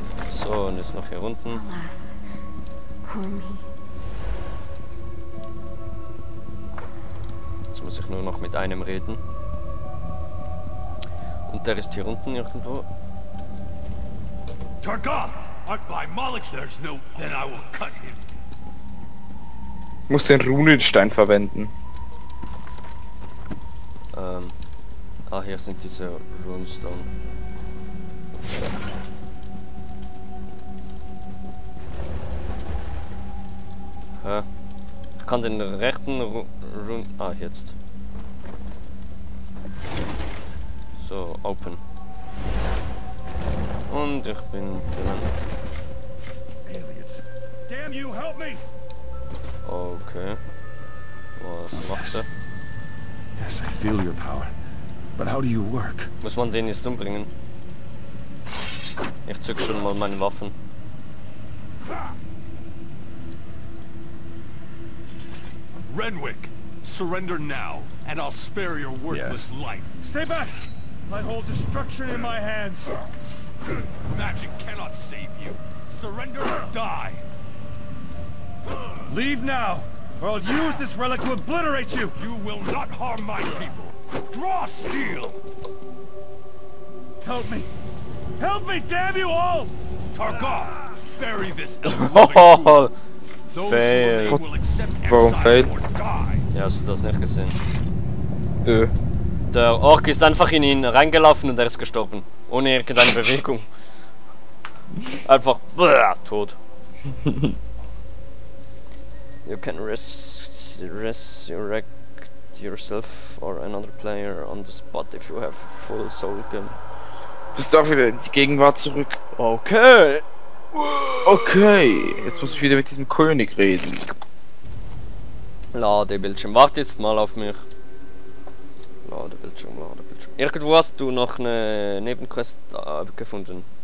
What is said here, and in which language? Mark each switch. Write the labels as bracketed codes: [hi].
[de] So, und jetzt noch hier unten. Jetzt muss ich nur noch mit einem reden. Und der ist hier unten irgendwo. Targoth! [en] By Moloch, there's no, then I will cut him. [de] Ich muss den Runenstein verwenden. Ah, hier sind diese Runestone. Hä? Ich kann den rechten Rune... Ah, jetzt. [en] So, open. [de] Und ich bin drin. [en] Damn you, help me! [de] Okay. Was macht er? [en] Yes, I feel your power. But how do you work? [de] Muss man den jetzt umbringen? Ich zück schon mal meine Waffen. [en] Renwick, surrender now, and I'll spare your worthless life. Stay back! I hold destruction in my hands. Magic cannot save you. Surrender or die. Leave now! Or I'll use this relic to obliterate you! You will not harm my people! Draw steel! Help me! Help me, damn you all! Targoth, bury this elf! [de] Fail! Warum fail? Ja, hast du das nicht gesehen? Der Ork ist einfach in ihn reingelaufen und er ist gestorben. Ohne irgendeine Bewegung. Einfach tot. [en] You can resurrect yourself or another player on the spot if you have full soul gem. [de] Bist du auch wieder in die Gegenwart zurück? Okay. Okay, jetzt muss ich wieder mit diesem König reden. Ladebildschirm, wart jetzt mal auf mich. Ladebildschirm, Ladebildschirm. Irgendwo hast du noch eine Nebenquest gefunden.